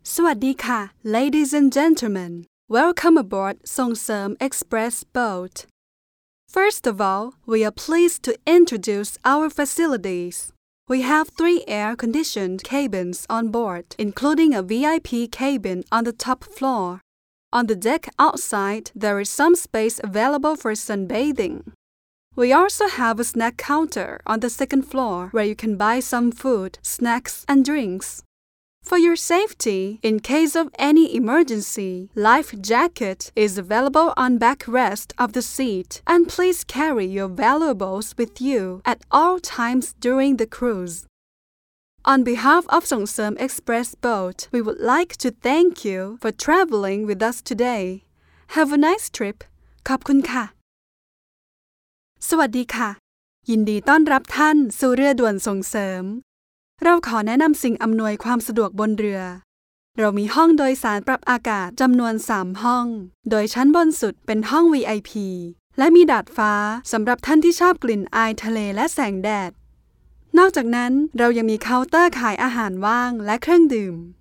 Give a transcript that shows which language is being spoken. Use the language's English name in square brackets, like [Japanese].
[Thai] สวัสดีค่ะ [English] Ladies and Gentlemen. Welcome aboard Songsom Express Boat. First of all, we are pleased to introduce our facilities. We have three air-conditioned cabins on board, including a VIP cabin on the top floor. On the deck outside, there is some space available for sunbathing. We also have a snack counter on the second floor where you can buy some food, snacks, and drinks. For your safety, in case of any emergency, life jacket is available on backrest of the seat, and please carry your valuables with you at all times during the cruise. On behalf of Songsom Express Boat, we would like to thank you for traveling with us today. Have a nice trip. [Thai] ขอบคุณค่ะ สวัสดีค่ะ ยินดีต้อนรับท่านสู่เรือด่วนส่งเสริมเราขอแนะนำสิ่งอำนวยความสะดวกบนเรือเรามีห้องโดยสารปรับอากาศจำนวน3ห้องโดยชั้นบนสุดเป็นห้อง VIP และมีดาดฟ้าสำหรับท่านที่ชอบกลิ่นอายทะเลและแสงแดดนอกจากนั้นเรายังมีเคาน์เตอร์ขายอาหารว่างและเครื่องดื่ม